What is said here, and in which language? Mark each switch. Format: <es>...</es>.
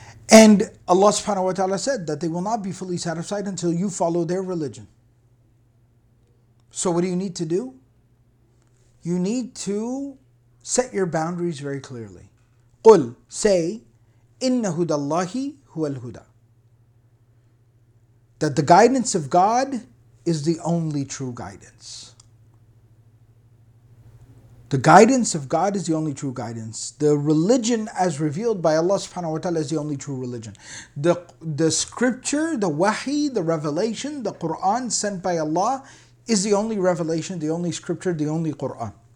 <en>And Allah subhanahu wa ta'ala said that they will not be fully satisfied until you follow their religion. So what do you need to do? You need to set your boundaries very clearly.</en> <ar>قُلْ say, إِنَّ هُدَى اللَّهِ هُوَ الْهُدَى.</ar> <en>That the guidance of God is the only true guidance. The guidance of God is the only true guidance. The religion as revealed by Allah subhanahu wa ta'ala is the only true religion. The scripture, the wahi, the revelation, the Qur'an sent by Allah is the only revelation, the only scripture, the only Qur'an.</en>